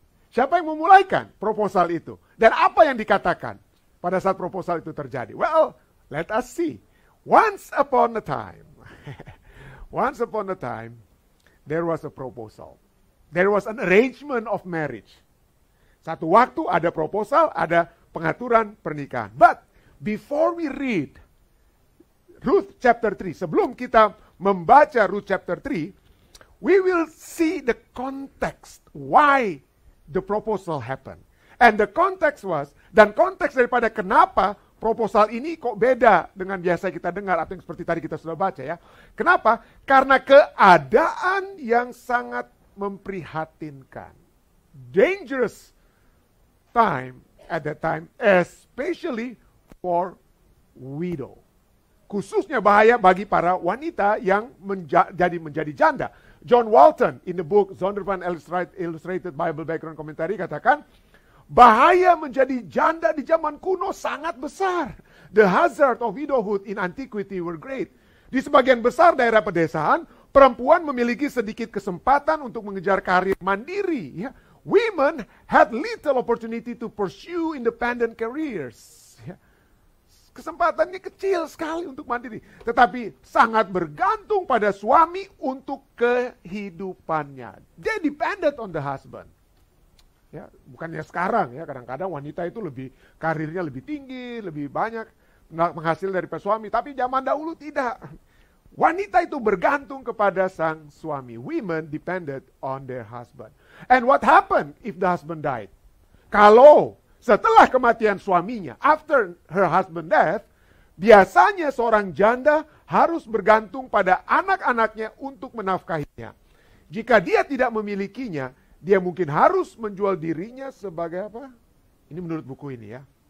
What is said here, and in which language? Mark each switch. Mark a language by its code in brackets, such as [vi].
[id] Siapa yang memulaikan proposal itu? Dan apa yang dikatakan pada saat proposal itu terjadi? [en] Well, let us see. Once upon a time, once upon a time, there was a proposal. There was an arrangement of marriage. [id] Satu waktu ada proposal, ada pengaturan pernikahan. [en] But before we read Ruth chapter 3, [id] sebelum kita membaca Ruth chapter 3, [en] we will see the context why the proposal happened. And the context was, [id] dan konteks daripada kenapa proposal ini kok beda dengan biasa kita dengar atau yang seperti tadi kita sudah baca ya. Kenapa? Karena keadaan yang sangat memprihatinkan. [en] Dangerous time at that time, especially for widow. [id] Khususnya bahaya bagi para wanita yang menjadi janda. John Walton [en] in the book [id] Zondervan Illustrated Bible Background Commentary katakan, bahaya menjadi janda di zaman kuno sangat besar. [en] The hazard of widowhood in antiquity were great. [id] Di sebagian besar daerah pedesaan, perempuan memiliki sedikit kesempatan untuk mengejar karir mandiri. Ya. [en] Women had little opportunity to pursue independent careers. [id] Ya. Kesempatannya kecil sekali untuk mandiri. Tetapi sangat bergantung pada suami untuk kehidupannya. [en] They depended on the husband. [id] Ya, bukannya sekarang ya, kadang-kadang wanita itu lebih karirnya lebih tinggi, lebih banyak menghasil dari suami, tapi zaman dahulu tidak. Wanita itu bergantung kepada sang suami. [en] Women depended on their husband. And what happened if the husband died? [id] Kalau setelah kematian suaminya, [en] after her husband death, [id] biasanya seorang janda harus bergantung pada anak-anaknya untuk menafkahinya. Jika dia tidak memilikinya, dia mungkin harus menjual dirinya sebagai apa? Ini menurut buku ini ya.